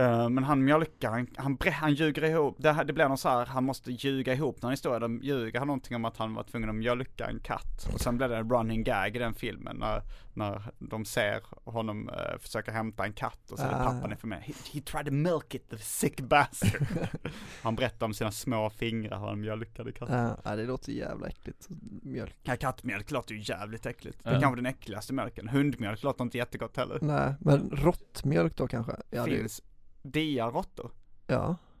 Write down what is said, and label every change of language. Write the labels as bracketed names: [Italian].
[Swedish] Men han mjölkar, han ljuger ihop. Det blir någon så här, han måste ljuga ihop när han står där. Ljuger han någonting om att han var tvungen att mjölka en katt. Och sen blir det en running gag i den filmen när de ser honom försöka hämta en katt. Och så är pappan för mig. [English] He tried to milk it, the sick bastard. [Swedish] Han berättar om sina små fingrar hur han mjölkade katten. Ja, det låter jävla äckligt. Ja, kattmjölk låter ju jävligt äckligt. Det kan vara den äckligaste mjölken. Hundmjölk låter inte jättegott heller. Nej, men råttmjölk då kanske? Ja, finns. Diarotto? Ja.